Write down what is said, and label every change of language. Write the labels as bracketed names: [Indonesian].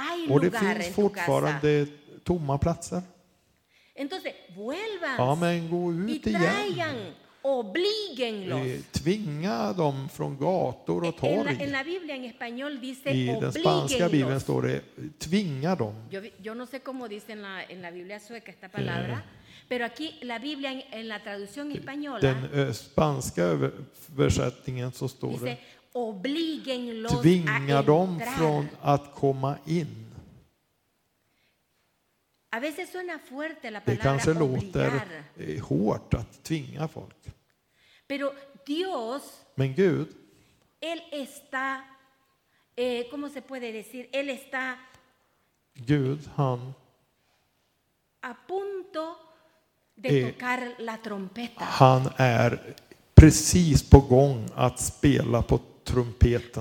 [Swedish] Och det finns fortfarande tomma platser. [Spanish] Entonces, vuelvas. [Swedish] Ja, men gå ut igen. Tvinga dem från gator och torg. [Spanish] En la Biblia en español dice obliguen. [Swedish] I den spanska bibeln står det tvinga dem. [Spanish] Yo no sé cómo dice en la Biblia sueca esta palabra, pero aquí la Biblia en la traducción española. [Swedish] Den spanska översättningen så står det. [Spanish] Obliguenlos. [Swedish] Tvinga dem från att komma in. [Spanish] A veces suena fuerte la palabra obligar. [Swedish] Hårt att tvinga folk. [Spanish] Pero Dios, [Swedish] men Gud, [Spanish] él está, ¿cómo se puede decir? Él está, [Swedish] Gud, han, [Spanish] a punto de tocar la trompeta. [Swedish] Han är precis på gång att spela på trumpeten.